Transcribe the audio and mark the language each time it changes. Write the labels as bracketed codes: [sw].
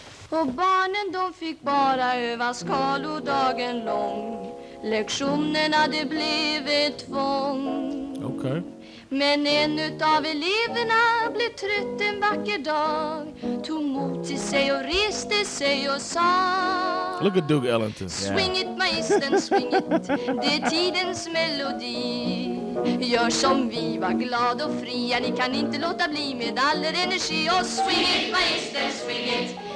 [sv] Och barnen de fick bara öva skalo dagen lång. Lektionerna det blev ett tvång. [en] Okay. [sv] Men en utav eleverna blev trött en vacker dag. Tog mot till sig och reste sig och sa: [en] Look at Duke Ellington. [sv] Swing it, magistern, swing it. Det är tidens melodi. Gör som vi var glad och fria. Ni kan inte låta bli med all er energi. Och swing it, magistern, swing it.